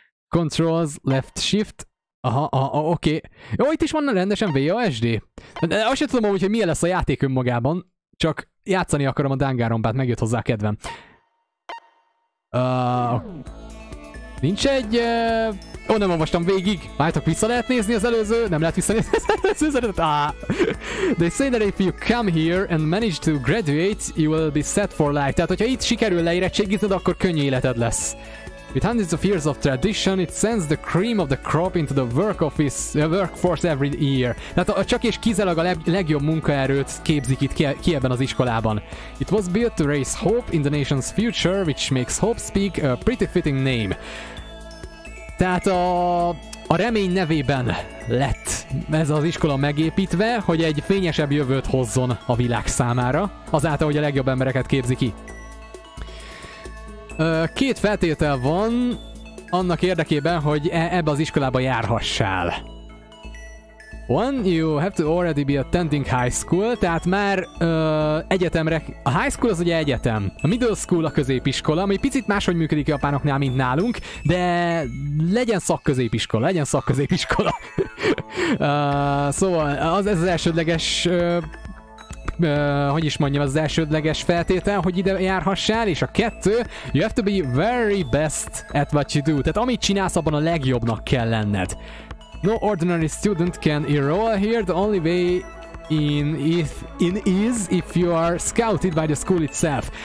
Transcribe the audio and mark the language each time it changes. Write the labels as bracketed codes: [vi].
[hu] Controls, left shift. Aha, oké. Jó, itt is van rendesen VASD. De azt sem tudom, hogy milyen lesz a játék önmagában. Csak játszani akarom a Danganronpát, megjött hozzá a kedvem. Nincs egy... nem olvastam végig. Váltok, vissza lehet nézni az előző? Nem lehet vissza nézni az előző üzenetet? [en] They say that if you come here and manage to graduate, you will be set for life. [hu] Tehát, hogyha itt sikerül leérettségizned, akkor könnyű életed lesz. [en] With hundreds of years of tradition, it sends the cream of the crop into the work office, workforce every year. [hu] Tehát csak és kizárólag a legjobb munkaerőt képzik itt ki ebben az iskolában. [en] It was built to raise hope in the nation's future, which makes Hope Speak a pretty fitting name. [hu] Tehát a remény nevében lett ez az iskola megépítve, hogy egy fényesebb jövőt hozzon a világ számára, azáltal, hogy a legjobb embereket képzi ki. Két feltétel van annak érdekében, hogy ebbe az iskolába járhassál. [en] One, you have to already be attending high school, [hu] tehát már egyetemre... A high school az ugye egyetem. A middle school a középiskola, ami picit máshogy működik japánoknál, mint nálunk, de legyen szakközépiskola, legyen szakközépiskola. szóval ez az elsődleges... hogy is mondjam, az elsődleges feltétel, hogy ide járhassál, és a kettő, [en] you have to be very best at what you do. [hu] Tehát amit csinálsz, abban a legjobbnak kell lenned. [en] No ordinary student can enroll here, the only way is if you are scouted by the school itself.